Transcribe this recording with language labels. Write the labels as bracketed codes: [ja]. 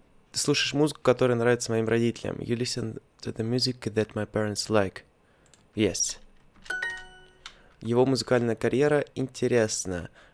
[ru] Ты слушаешь музыку, которая нравится моим родителям. [en] You listen to the music that my parents like. Yes. [ru] Его музыкальная карьера интересна.